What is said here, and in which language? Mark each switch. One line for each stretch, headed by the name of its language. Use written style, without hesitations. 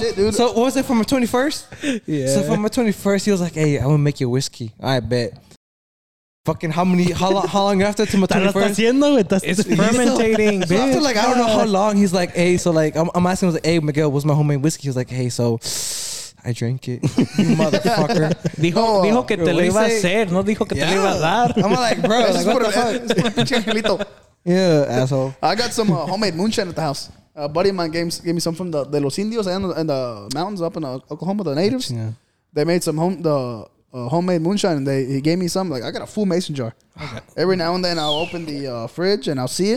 English: Shit, so what was it, for my 21st? Yeah. So for my 21st, he was like, hey, I'm going to make you a whiskey. I bet. Fucking how long after to my 21st? It's fermentating. So after like, I don't know how long, he's like, hey, so like, I'm asking, like, hey, Miguel, what's my homemade whiskey? He's like, hey, so I drank it. You motherfucker.
Spanish: Dijo que te lo iba a hacer, no dijo que te lo iba a dar.
English: I'm like, bro, like, what the fuck? Yeah, asshole. I got some homemade moonshine at the house. A buddy of mine gave me some from the Los Indios and the mountains up in Oklahoma, the natives. Yeah. They made some homemade moonshine, and he gave me some. Like, I got a full mason jar. Okay. Every now and then I'll open the fridge and I'll see it.